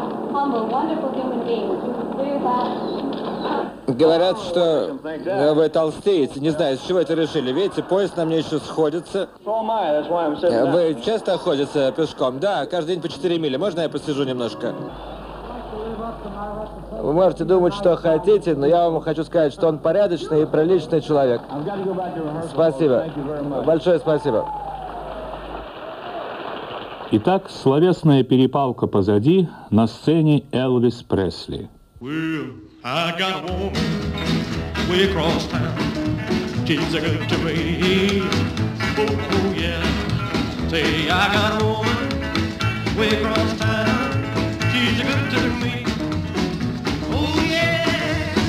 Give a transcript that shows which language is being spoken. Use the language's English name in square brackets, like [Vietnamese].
[English] Humble, wonderful human being. You can clear that. [Russian] Говорят, что вы толстеете. Не знаю, с чего это решили. Видите, поезд на мне еще сходится. Вы часто ходите пешком? Да, каждый день по 4 мили. Можно я посижу немножко? Вы можете думать, что хотите, но я вам хочу сказать, что он порядочный и приличный человек. Спасибо. Большое спасибо. Итак, словесная перепалка позади, на сцене Элвис Пресли. [English] I got a woman way across town. She's a good to me. Oh, oh, yeah. Say, I got a woman way across town. She's a good to me. Oh, yeah.